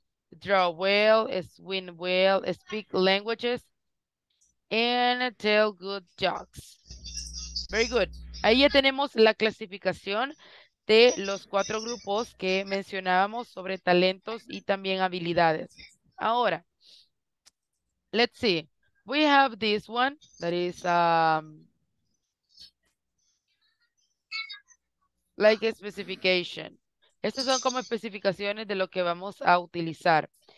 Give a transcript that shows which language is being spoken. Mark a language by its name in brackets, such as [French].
[English] Draw well, swim well, speak languages, and tell good jokes. Very good. [Spanish] Ahí ya tenemos la clasificación de los cuatro grupos que mencionábamos sobre talentos y también habilidades. [English] Ahora, let's see. We have this one that is like a specification. [Spanish] Estas son como especificaciones de lo que vamos a utilizar.